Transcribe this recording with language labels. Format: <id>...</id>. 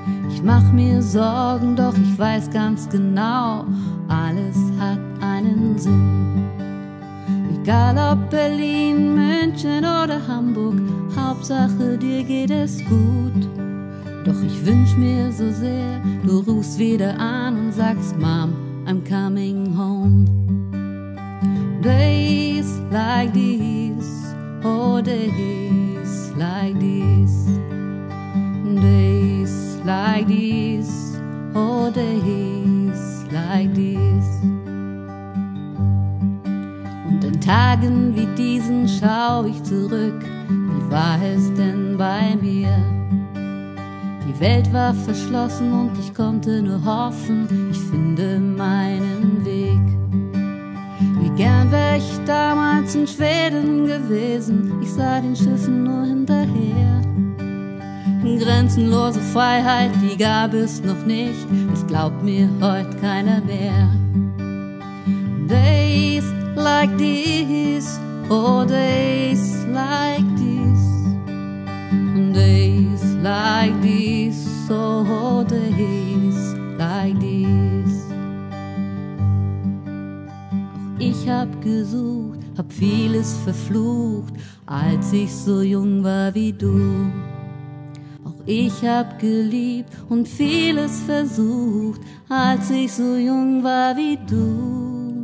<de>Ich mach mir Sorgen, doch ich weiß ganz genau, alles hat einen Sinn. Egal ob Berlin, München oder Hamburg, Hauptsache dir geht es gut. Doch ich wünsch mir so sehr, du rufst wieder an und sagst,</de> <en>Mom, I'm coming home. Days like this, oh days like this. Days like this, oh days like this.</en> <de>Tagen wie diesen schau ich zurück, wie war es denn bei mir? Die Welt war verschlossen und ich konnte nur hoffen, ich finde meinen Weg. Wie gern wär ich damals in Schweden gewesen, ich sah den Schiffen nur hinterher. Grenzenlose Freiheit, die gab es noch nicht, das glaubt mir heute keiner mehr.</de> <en>Days like this, oh days like this, days like this, oh days like this.</en> <de>Auch ich hab gesucht, hab vieles verflucht, als ich so jung war wie du. Auch ich hab geliebt und vieles versucht, als ich so jung war wie du.</de>